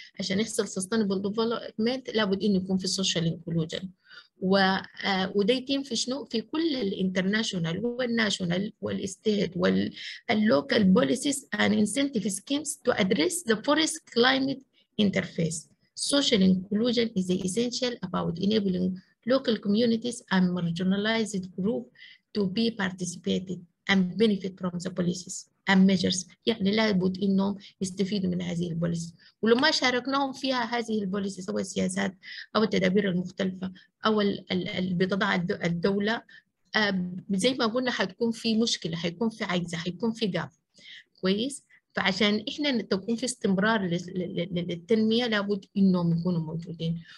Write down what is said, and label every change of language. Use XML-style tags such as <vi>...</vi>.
<ar>عشان يحصل</ar> <en>sustainable development</en> <ar>لابد انه يكون في</ar> <en>السوشيال انكلوجن،</en> <ar>وده يتم في شنو؟ في كل</ar> <en>الانترناشونال والناشونال والاستيت واللوكال policies and incentive schemes to address the forest climate interface. Social inclusion is essential about enabling local communities and marginalized groups to be participated and benefit from the policies and measures.</en> <ar>يعني لابد إنهم يستفيدوا من هذه البوليسيز، ولما شاركناهم فيها هذه البوليسيز أو السياسات أو التدابير المختلفة أو بتضع الدولة، زي ما قلنا حتكون في مشكلة، حيكون في عجز، حيكون في جاب. كويس؟ فعشان احنا تكون في استمرار للتنميه لابد انهم يكونوا موجودين.</ar>